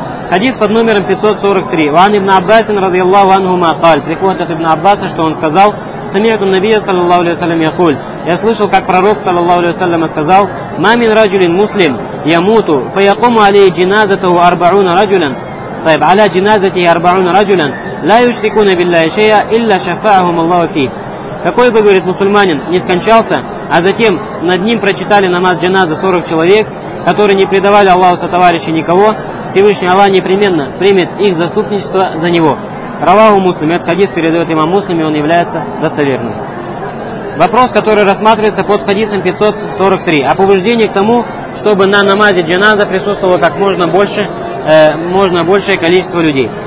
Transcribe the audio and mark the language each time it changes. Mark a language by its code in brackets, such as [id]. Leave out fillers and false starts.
[ru] Хадис под номером 543. [ar] Ван ибн Аббасин радиаллаху анхума каль. [ru] Приходит от ибн Аббаса, что он сказал. [ar] Самиату Набия саллаллаху алейхи ва саллям якуль. [ru] Я слышал, как пророк [ar] саллаллаху алейхи ва саллям [ru] сказал: [ar] «Ма мин раджулин муслим ямуту фа якуму алейхи джаназатуху арбауна раджулин». طيب على جنازته 40 رجلا لا يشركون بالله شيئا الا شفاعهم الله فيه. [ru] Какой бы, говорит, мусульманин не скончался, а затем над ним прочитали намаз джаназа 40 человек, которые не предавали Аллаху сотоварища никого, Всевышний Аллах непременно примет их заступничество за него. [ar] Раваху Муслим. [ru] Этот хадис передает имам Муслим, и он является достоверным. Вопрос, который рассматривается под хадисом 543, о побуждении к тому, чтобы на намазе джаназа присутствовало как можно больше большее количество людей.